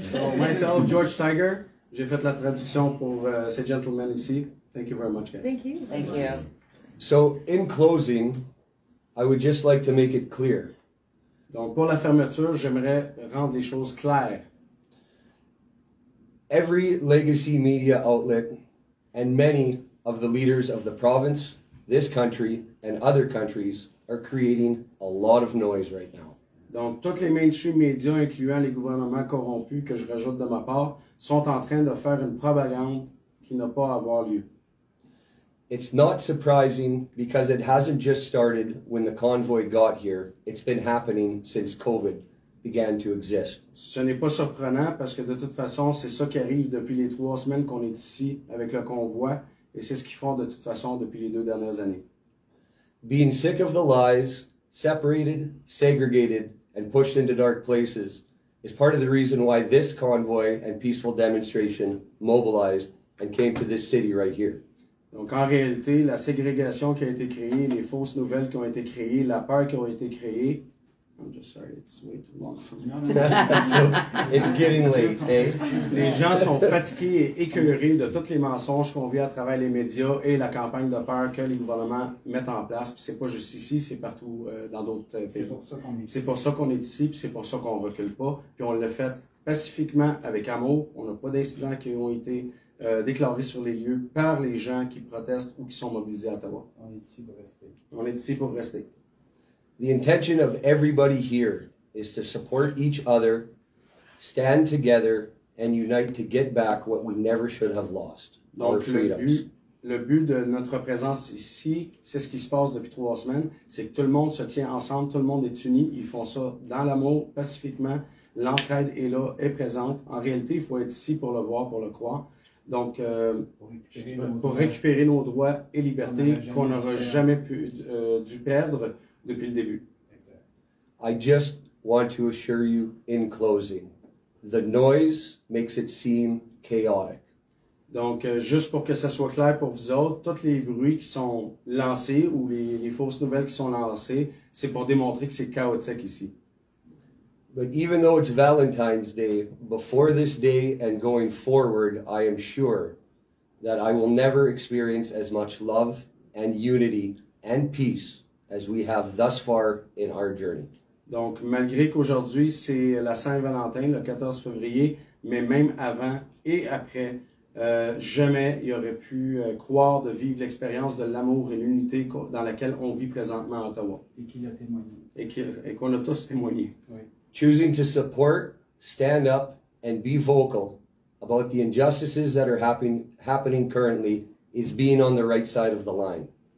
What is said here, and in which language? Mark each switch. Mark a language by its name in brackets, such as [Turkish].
[French] So, myself, George Tiger, j'ai fait la traduction pour ces gentlemen ici. [English] Thank you very much, guys. Thank you. Thank you. So, in closing, I would just like to make it clear. [French] Donc, pour la fermeture, j'aimerais rendre les choses claires. [English] Every legacy media outlet and many of the leaders of the province, this country and other countries are creating a lot of noise right now. [French] Donc, toutes les mainstream médias, incluant les gouvernements corrompus que je rajoute de ma part, sont en train de faire une propagande qui n'a pas à avoir lieu. [English] It's not surprising because it hasn't just started when the convoy got here. It's been happening since COVID began to exist. [French] Ce n'est pas surprenant parce que de toute façon, c'est ça qui arrive depuis les trois semaines qu'on est ici avec le convoi. Et c'est ce qu'ils font de toute façon depuis les deux dernières années. [English] Being sick of the lies, separated, segregated, and pushed into dark places is part of the reason why this convoy and peaceful demonstration mobilized and came to this city right here. [French] Donc en réalité, la ségrégation qui a été créée, les fausses nouvelles qui ont été créées, la peur qui a été créée, [English] I'm just sorry, it's way too long for me. It's getting late, eh? [French] Les gens sont fatigués et écœurés de tous les mensonges qu'on vit à travers les médias et la campagne de peur que les gouvernements mettent en place. Puis c'est pas juste ici, c'est partout dans d'autres pays. C'est pour ça qu'on est ici, puis c'est pour ça qu'on recule pas. Puis on l'a fait pacifiquement, avec amour. On n'a pas d'incidents qui ont été déclarés sur les lieux par les gens qui protestent ou qui sont mobilisés à Ottawa. On est ici pour rester. On est ici pour rester. [English] The intention of everybody here is to support each other, stand together, and unite to get back what we never should have lost, [French] donc [English] our freedoms. [French] Le but de notre présence ici, c'est ce qui se passe depuis trois semaines, c'est que tout le monde se tient ensemble, tout le monde est uni, ils font ça dans l'amour, pacifiquement, l'entraide est là, est présente. En réalité, il faut être ici pour le voir, pour le croire. Donc, pour récupérer nos droits et libertés qu'on n'aura jamais dû perdre, depuis le début. [English] I just want to assure you in closing, the noise makes it seem chaotic. [French] Donc, juste pour que ça soit clair pour vous autres, tous les bruits qui sont lancés ou les fausses nouvelles qui sont lancées, c'est pour démontrer que c'est chaotique ici. [English] But even though it's Valentine's Day, before this day and going forward, I am sure that I will never experience as much love and unity and peace as we have thus far in our journey. [French] Donc, malgré qu'aujourd'hui c'est la Saint-Valentin, le 14 février, mais même avant et après, jamais il aurait pu croire de vivre l'expérience de l'amour et l'unité dans laquelle on vit présentement à Ottawa. Et qu'il a témoigné. Et qu'on a tous témoigné. Oui. [English] Choosing to support, stand up, and be vocal about the injustices that are happening currently is being on the right side of the line.